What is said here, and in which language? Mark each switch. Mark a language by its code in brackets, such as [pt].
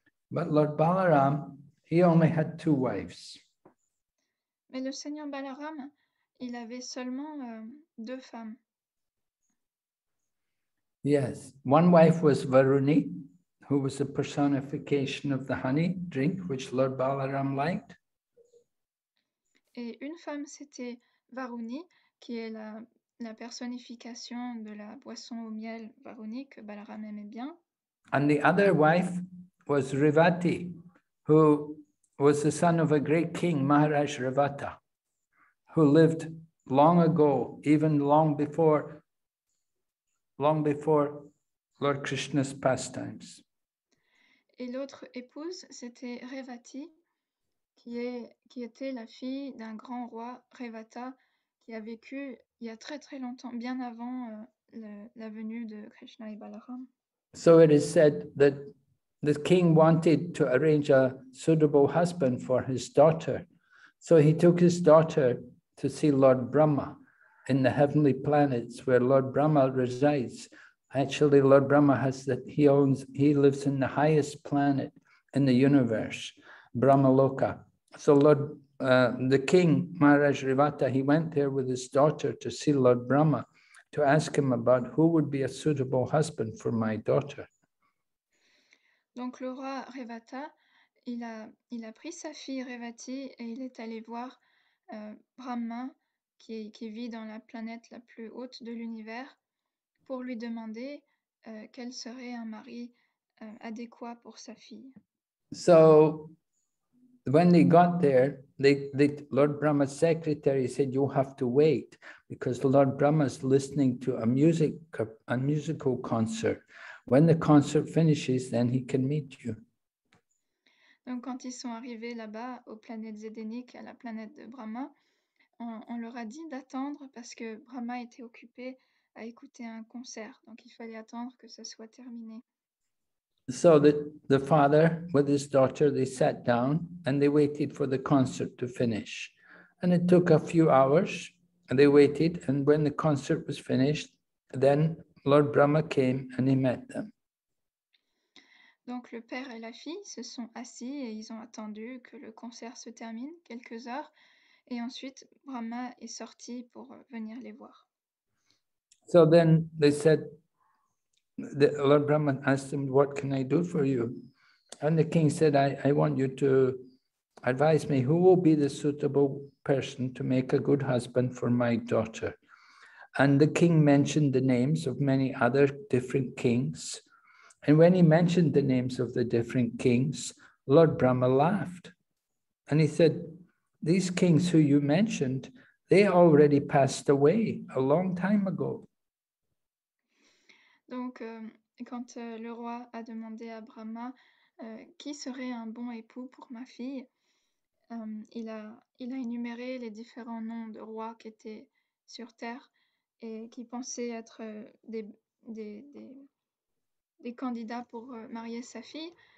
[en] But Lord Balaram, he only had two wives. [fr] Mais le Seigneur Balaram, il avait seulement deux femmes. [en] Yes, one wife was Varuni, who was a personification of the honey drink which Lord Balaram liked. [fr] Et une femme, c'était Varuni, qui est la personnification de la boisson au miel Varuni que Balaram aimait bien. [en] And the other wife was Rivati, who was the son of a great king, Maharaj Rivata, who lived long ago, even long before Lord Krishna's pastimes. [fr] Et l'autre épouse, c'était Revati, qui était la fille d'un grand roi, Revata, qui a vécu il y a très très longtemps, bien avant la venue de Krishna et Balaram. [en] So it is said that the king wanted to arrange a suitable husband for his daughter. So he took his daughter to see Lord Brahma in the heavenly planets where Lord Brahma resides. Actually, Lord Brahma he lives in the highest planet in the universe, Brahmaloka. So the king, Maharaj Rivata, he went there with his daughter to see Lord Brahma to ask him about who would be a suitable husband for my daughter. [fr] Donc le roi Revata, il a pris sa fille Revati et il est allé voir Brahma qui vit dans la planète la plus haute de l'univers pour lui demander quel serait un mari adéquat pour sa fille. [en] So when they got there, Lord Brahma's secretary said, "You have to wait because Lord Brahma is listening to a musical concert. When the concert finishes, then he can meet you." [fr] Donc quand ils sont arrivés là-bas, aux planètes édéniques, à la planète de Brahma, on leur a dit d'attendre parce que Brahma était occupé à écouter un concert. Donc il fallait attendre que ce soit terminé. [en] So the father with his daughter, they sat down and they waited for the concert to finish. And it took a few hours and they waited. And when the concert was finished, then Lord Brahma came and he met them. [fr] Donc le père et la fille se sont assis et ils ont attendu que le concert se termine quelques heures et ensuite Brahma est sorti pour venir les voir. [en] So then they said, Lord Brahma asked them, "What can I do for you?" And the king said, I want you to advise me who will be the suitable person to make a good husband for my daughter. And the king mentioned the names of many other different kings. And when he mentioned the names of the different kings, Lord Brahma laughed. And he said, "These kings who you mentioned, they already passed away a long time ago." [fr] Donc, quand le roi a demandé à Brahma qui serait un bon époux pour ma fille, il a énuméré les différents noms de rois qui étaient sur terre et qui pensaient être des candidats pour marier sa fille.